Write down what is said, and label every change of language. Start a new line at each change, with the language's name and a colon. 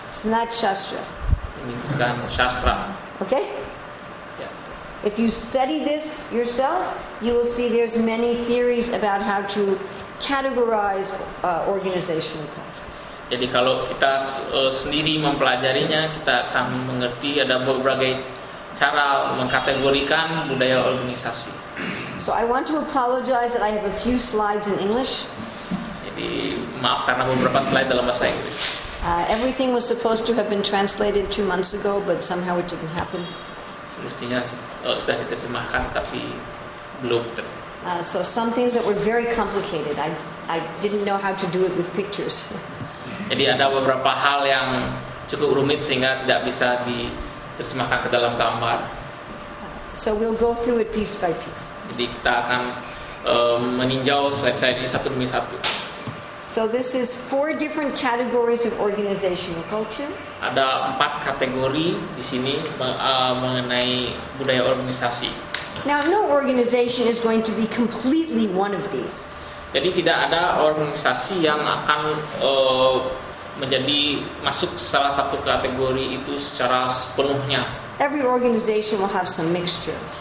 English: It's not shastra.
Indonesian: Ini bukan shastra.
English: Okay? If you study this yourself, you will see there's many theories about how to categorize organizational culture.
Indonesian: Jadi kalau kita sendiri mempelajarinya, kita akan mengerti ada berbagai cara mengkategorikan budaya organisasi.
English: So I want to apologize that I have a few slides in English.
Indonesian: Jadi maaf karena beberapa slide dalam bahasa Inggris.
English: Everything was supposed to have been translated 2 months ago, but somehow it didn't happen.
Indonesian: Semestinya sudah diterjemahkan, tapi belum.
English: So some things that were very complicated, I didn't know how to do it with pictures.
Indonesian: Jadi ada beberapa hal yang cukup rumit sehingga tidak bisa diterjemahkan ke dalam gambar.
English: So we'll go through it piece by piece.
Indonesian: Jadi kita akan meninjau slide-slide ini satu demi satu.
English: So this is 4 different categories of organizational culture.
Indonesian: Ada 4 kategori di sini mengenai budaya organisasi.
English: Now no organization is going to be completely one of these.
Indonesian: Jadi tidak ada organisasi yang akan menjadi masuk salah satu kategori itu secara sepenuhnya.
English: Every organization will have some mixture.